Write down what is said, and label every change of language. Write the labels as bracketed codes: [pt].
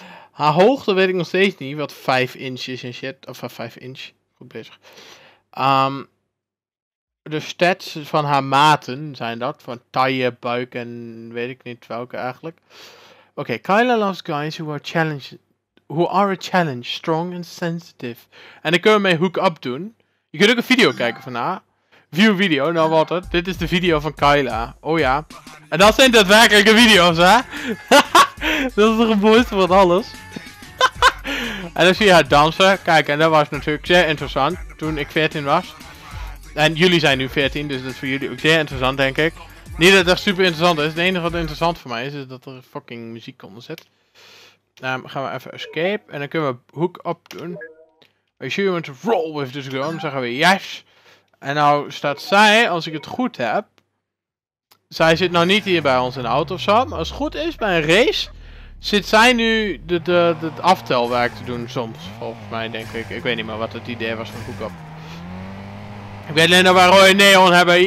[nl] Haar hoogte weet ik nog steeds niet. Wat 5 inch is en shit. Of 5 inch. Goed bezig. De stats van haar maten zijn dat. Van taille, buik en weet ik niet welke eigenlijk. [en] Oké, Kyla loves guys who are challenged. Who are a challenge, strong and sensitive. [nl] En dan kunnen we mee hook up doen. Je kunt ook een video kijken van haar. View video, nou wat het. Dit is de video van Kyla. Oh ja. En dat zijn daadwerkelijke video's, hè? Dat is toch het mooiste van alles. En dan zie je haar dansen. Kijk, en dat was natuurlijk zeer interessant toen ik 14 was. En jullie zijn nu 14, dus dat is voor jullie ook zeer interessant, denk ik. Niet dat dat super interessant is. Het enige wat interessant voor mij is, is dat er fucking muziek onder zit. Gaan we even escape en dan kunnen we hook up doen. [en] Are you sure you want to roll with this girl? [nl] Dan zeggen we yes. En nou staat zij, als ik het goed heb. Zij zit nou niet hier bij ons in de auto of zo. Maar als het goed is, bij een race, zit zij nu het aftelwerk te doen soms. Volgens mij denk ik. Ik weet niet meer wat het idee was van hook up. Ik weet alleen dat we rode neon hebben.